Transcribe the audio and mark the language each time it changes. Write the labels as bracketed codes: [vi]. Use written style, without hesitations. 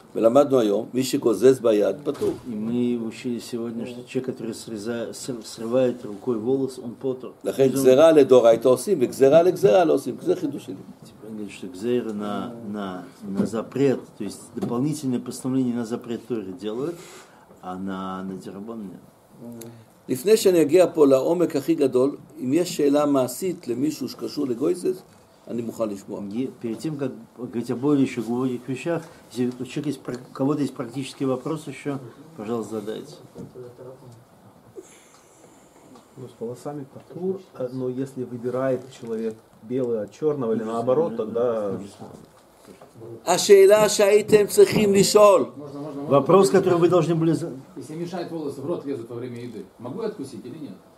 [he] ולמדנו היום, מי שגוזז ביד, פטור. [ru] и мы учили сегодня, что человек, который срывает рукой волос, он потур. [he] לכן גזירה לדורייתא עושים, וגזירה לגזירה לא עושים. זה חידוש שלי. [ru] теперь он говорит, что גזירה на запрет, то есть дополнительное постановление на запрет Торы делают, а на дерабон нет. [he] לפני שאני אגיע פה לעומק הכי גדול, אם יש שאלה מעשית למישהו שקשור לגויזז, אני מוכן לשמוע. פרטים כגויזז שגובות את משך, זה כבוד יש פרקטיסטי ופרוס אשר, פשוט זדעת. [ru] Ну, с волосами потур, но если выбирает человек белый от черного или наоборот, тогда... [he] השאלה שהייתם צריכים לשאול. [ru] вопрос, который вы должны были задать. если мешает волосы в рот лезут во время еды, могу я откусить или нет?